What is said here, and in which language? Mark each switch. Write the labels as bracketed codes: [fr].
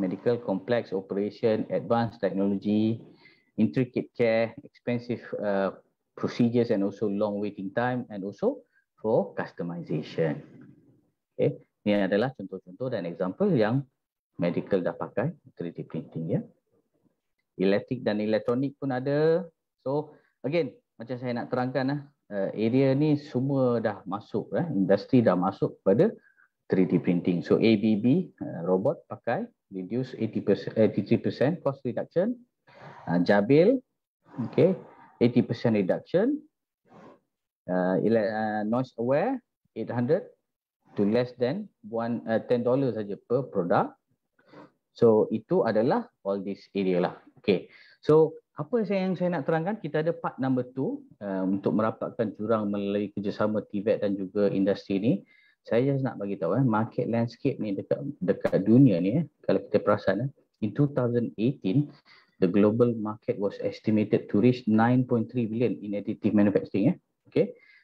[en] Medical complex operation, advanced technology, intricate care, expensive procedures and also long waiting time and also for customization. Okay. [ms] Ni adalah contoh-contoh dan example yang medical dah pakai 3D printing. Ya. Electric dan electronic pun ada. So again, macam saya nak terangkan, area ni semua dah masuk, industri dah masuk pada 3D printing. [en] So ABB robot pakai, reduce 83% cost reduction. Jabil, okay, 80% reduction. Noise aware, $800 to less than $10 saja per product. So [ms] itu adalah [en] all this area lah. [ms] Okay. So apa yang saya nak terangkan, kita ada part number 2 untuk merapatkan jurang melalui kerjasama TVET dan juga industri ni. Saya just nak bagi tahu market landscape ni dekat dunia ni, kalau kita perasan, [en] in 2018 the global market was estimated to reach 9.3 billion in additive manufacturing. Okay.